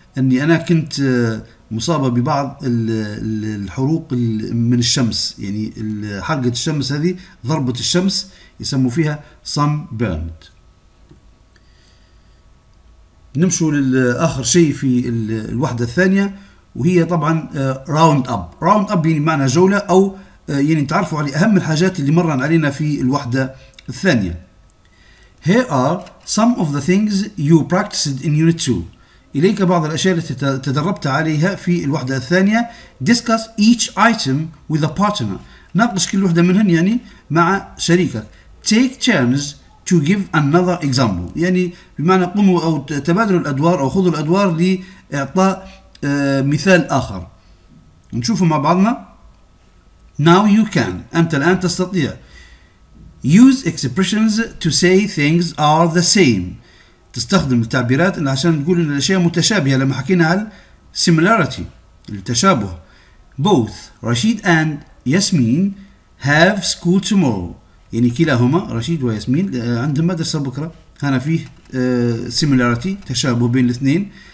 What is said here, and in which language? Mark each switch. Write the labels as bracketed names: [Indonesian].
[Arabic] أني أنا كنت مصابة ببعض الحروق من الشمس، يعني حرقة الشمس هذه، ضربة الشمس يسموا فيها sun burned. نمشوا للآخر شيء في الوحدة الثانية، وهي طبعا راوند أب. راوند أب يعني معنى جولة، أو يعني تعرفوا على أهم الحاجات اللي مرن علينا في الوحدة الثانية. [English] Here are some of the things you practiced in unit 2. [Arabic] إليك بعض الأشياء التي تدربت عليها في الوحدة الثانية. [English] Discuss each item with a partner. [Arabic] ناقش كل وحدة منهن يعني مع شريكك. [English] Take turns to give another example. [Arabic] يعني بمعنى قموا أو تبادلوا الأدوار أو خذوا الأدوار لإعطاء مثال آخر. نشوفه مع بعضنا. [English] Now you can. [Arabic] أنت الآن تستطيع. [English] Use expressions to say things are the same. [Arabic] تستخدم التعبيرات عشان تقول ان الاشياء متشابهه، لما حكينا على similarity التشابه. [English] Both Rashid and Yasmin have school tomorrow. [Arabic] يعني كلاهما رشيد وياسمين عندهم مدرسه بكره، هنا فيه similarity تشابه بين الاثنين.